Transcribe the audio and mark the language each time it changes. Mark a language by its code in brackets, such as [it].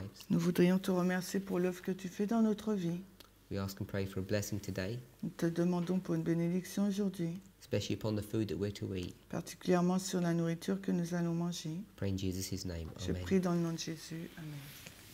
[fr] Nous voudrions te remercier pour l'œuvre que tu fais dans notre vie. [en] We ask and pray for a blessing today. [fr] Nous te demandons pour une bénédiction aujourd'hui. [en] Especially upon the food that we're to eat. [fr] Particulièrement sur la nourriture que nous allons manger. [en] Pray in Jesus' name. [fr] Je prie dans le nom de Jésus. Amen.